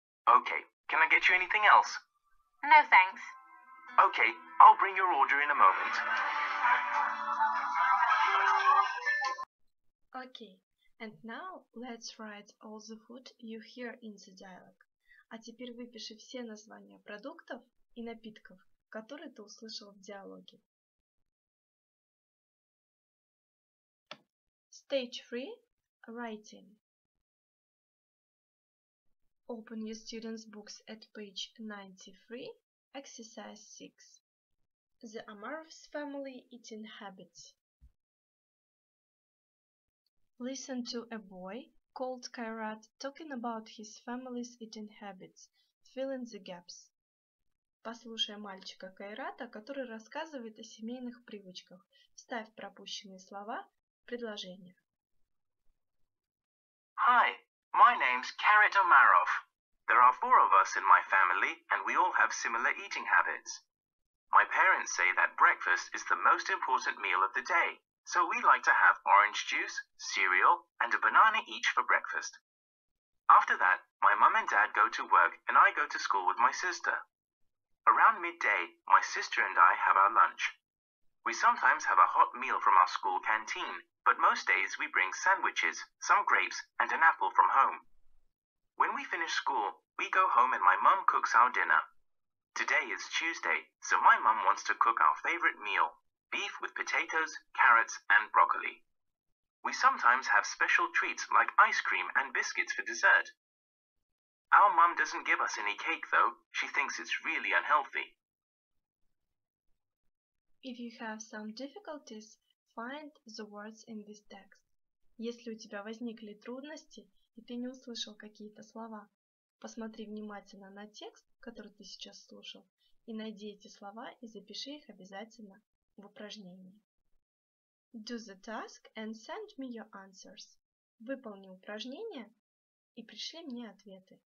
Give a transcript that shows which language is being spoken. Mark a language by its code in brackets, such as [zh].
[en] Okay, can I get you anything else? No, thanks. Okay, I'll bring your order in a moment. Okay, and now let's write all the food you hear in the dialogue. [ru] А теперь выпиши все названия продуктов и напитков, которые ты услышал в диалоге. [en] Stage 3. Writing. Open your students' books at page 93. Exercise 6. The Amarov's family eating habits. Listen to a boy called Kairat talking about his family's eating habits. Fill in the gaps. [ru] Послушай мальчика Кайрата, который рассказывает о семейных привычках. Вставь пропущенные слова в предложение. [en] Hi, my name's Kairat Amarov. There are four of us in my family, and we all have similar eating habits. My parents say that breakfast is the most important meal of the day, so we like to have orange juice, cereal, and a banana each for breakfast. After that, my mum and dad go to work, and I go to school with my sister. Around midday, my sister and I have our lunch. We sometimes have a hot meal from our school canteen, but most days we bring sandwiches, some grapes, and an apple from home. When we finish school, we go home and my mum cooks our dinner. Today is Tuesday, so my mum wants to cook our favorite meal, beef with potatoes, carrots, and broccoli. We sometimes have special treats like ice cream and biscuits for dessert. Our mum doesn't give us any cake, though. She thinks it's really unhealthy. If you have some difficulties, find the words in this text. [ru] Если у тебя возникли трудности, и ты не услышал какие-то слова, посмотри внимательно на текст, который ты сейчас слушал, и найди эти слова и запиши их обязательно в упражнении. [en] Do the task and send me your answers. [ru] Выполни упражнение и пришли мне ответы.